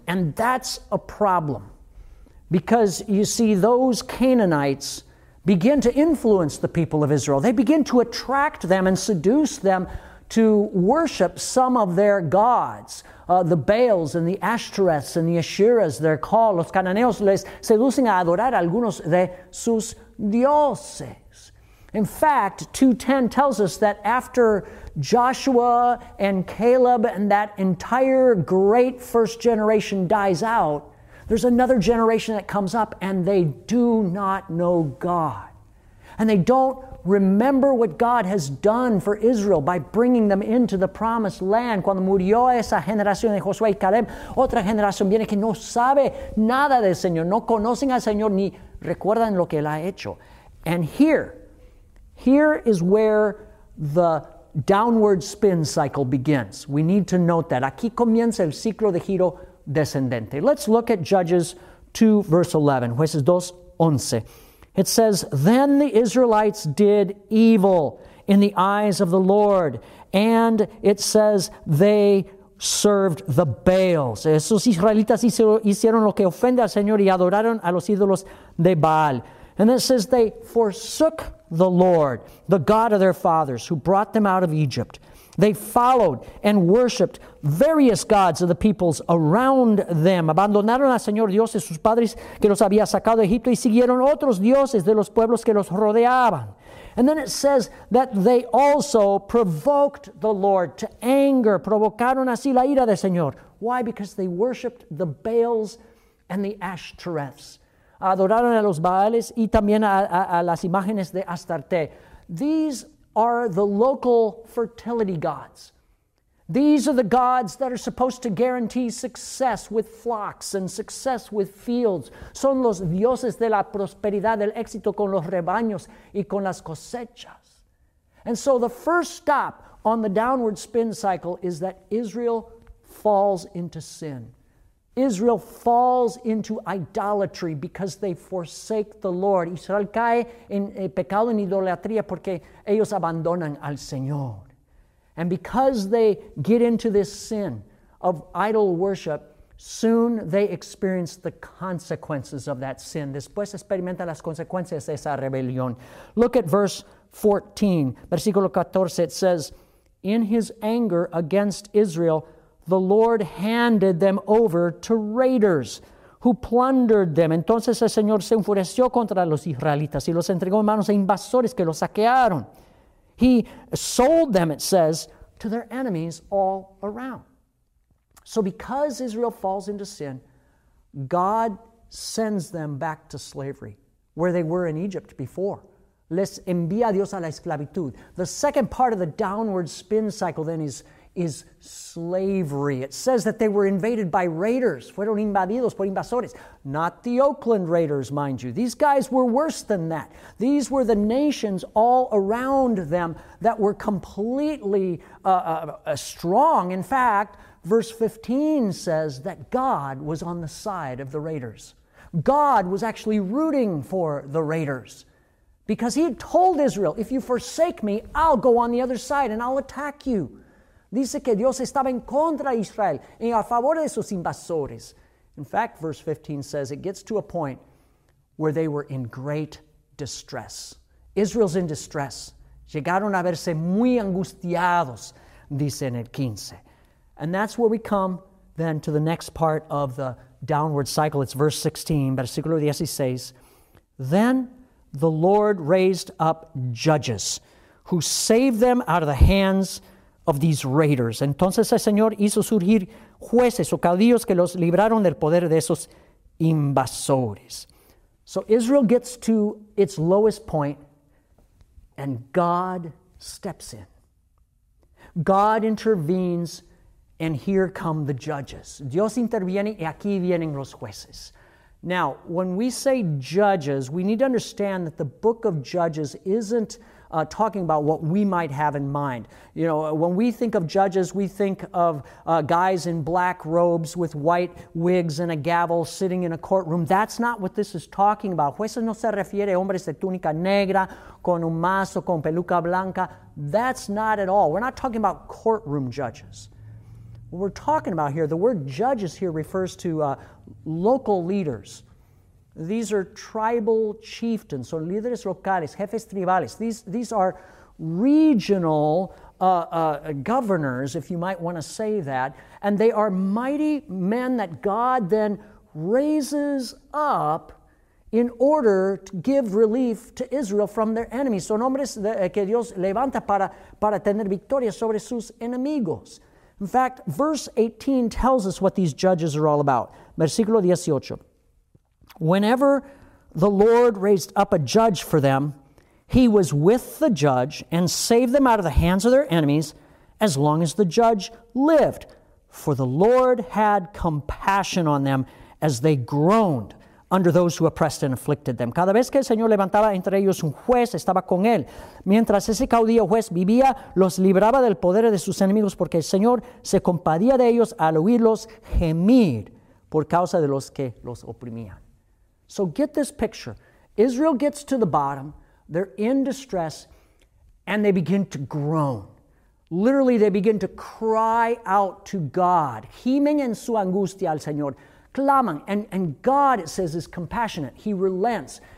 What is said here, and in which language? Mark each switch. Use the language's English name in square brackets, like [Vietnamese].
[English] And that's a problem. Because you see, those Canaanites begin to influence the people of Israel. They begin to attract them and seduce them to worship some of their gods. The Baals and the Ashtoreths and the Asherahs, they're called. [Spanish] Los cananeos les seducen a adorar algunos de sus dioses. [English] In fact, 2:10 tells us that after Joshua and Caleb and that entire great first generation dies out, there's another generation that comes up and they do not know God. And they don't remember what God has done for Israel by bringing them into the promised land. [Spanish] Cuando murió esa generación de Josué y Caleb, otra generación viene que no sabe nada del Señor, no conocen al Señor ni recuerdan lo que él ha hecho. [English] And here is where the downward spin cycle begins. We need to note that. [Spanish] Aquí comienza el ciclo de giro descendente. [English] Let's look at Judges 2, verse 11. [Spanish] Jueces 2, 11. [English] It says, "Then the Israelites did evil in the eyes of the Lord." And it says, "They served the Baals." [Spanish] Esos israelitas hicieron lo que ofende al Señor y adoraron a los ídolos de Baal. [English] And it says, "They forsook the Lord, the God of their fathers, who brought them out of Egypt. They followed and worshipped various gods of the peoples around them." [Spanish] Abandonaron al Señor Dios de sus padres que los había sacado de Egipto y siguieron otros dioses de los pueblos que los rodeaban. [English] And then it says that they also provoked the Lord to anger. [Spanish] Provocaron así la ira del Señor. [English] Why? Because they worshipped the Baals and the Ashtoreths. [Spanish] Adoraron a los Baales y también a las imágenes de Astarte. [English] These are the local fertility gods. These are the gods that are supposed to guarantee success with flocks and success with fields. [Spanish] Son los dioses de la prosperidad, del éxito con los rebaños y con las cosechas. [English] And so the first stop on the downward spin cycle is that Israel falls into sin. Israel falls into idolatry because they forsake the Lord. [Spanish] Israel cae en pecado en idolatría porque ellos abandonan al Señor. [English] And because they get into this sin of idol worship, soon they experience the consequences of that sin. [Spanish] Después experimentan las consecuencias de esa rebelión. [English] Look at verse 14. Versículo 14, it says, "In his anger against Israel, the Lord handed them over to raiders who plundered them." [Spanish] Entonces el Señor se enfureció contra los israelitas y los entregó en manos de invasores que los saquearon. [English] He sold them, it says, to their enemies all around. So because Israel falls into sin, God sends them back to slavery where they were in Egypt before. [Spanish] Les envía Dios a la esclavitud. [English] The second part of the downward spin cycle then is slavery. It says that they were invaded by raiders. [Spanish] Fueron invadidos por invasores. [English] Not the Oakland Raiders, mind you. These guys were worse than that. These were the nations all around them that were completely strong. In fact, verse 15 says that God was on the side of the raiders. God was actually rooting for the raiders because he had told Israel, "If you forsake me, I'll go on the other side and I'll attack you." [Spanish] Dice que Dios estaba en contra de Israel y a favor de sus invasores. [English] In fact, verse 15 says, it gets to a point where they were in great distress. Israel's in distress. [Spanish] Llegaron a verse muy angustiados, dice en el 15. [English] And that's where we come then to the next part of the downward cycle. It's verse 16, versículo 16. "Then the Lord raised up judges who saved them out of the hands of these raiders." [Spanish] Entonces el Señor hizo surgir jueces o caudillos que los libraron del poder de esos invasores. [English] So Israel gets to its lowest point and God steps in. God intervenes And here come the judges. [Spanish] Dios interviene y aquí vienen los jueces. [English] Now, when we say judges, we need to understand that the book of Judges isn't talking about what we might have in mind. You know, when we think of judges, we think of guys in black robes with white wigs and a gavel sitting in a courtroom. That's not what this is talking about. [Spanish] Jueces no se refiere a hombres de túnica negra, con un mazo, con peluca blanca. [English] That's not at all. We're not talking about courtroom judges. What we're talking about here, the word judges here refers to local leaders. These are tribal chieftains, [Spanish] son líderes locales, jefes tribales. [English] These are regional governors, if you might want to say that. And they are mighty men that God then raises up in order to give relief to Israel from their enemies. [Spanish] Son hombres que Dios levanta para tener victoria sobre sus enemigos. [English] In fact, verse 18 tells us what these judges are all about. Versículo 18. Whenever the Lord raised up a judge for them, he was with the judge and saved them out of the hands of their enemies as long as the judge lived. For the Lord had compassion on them as they groaned under those who oppressed and afflicted them. [Spanish] Cada vez que el Señor levantaba entre ellos un juez, estaba con él. Mientras ese caudillo juez vivía, los libraba del poder de sus enemigos porque el Señor se compadía de ellos al oírlos gemir por causa de los que los oprimían. [English] So get this picture. Israel gets to the bottom, they're in distress, and they begin to groan. Literally, they begin to cry out to God. [Spanish] Gimen en su angustia al Señor. Claman. [English] And God, it says, is compassionate. He relents.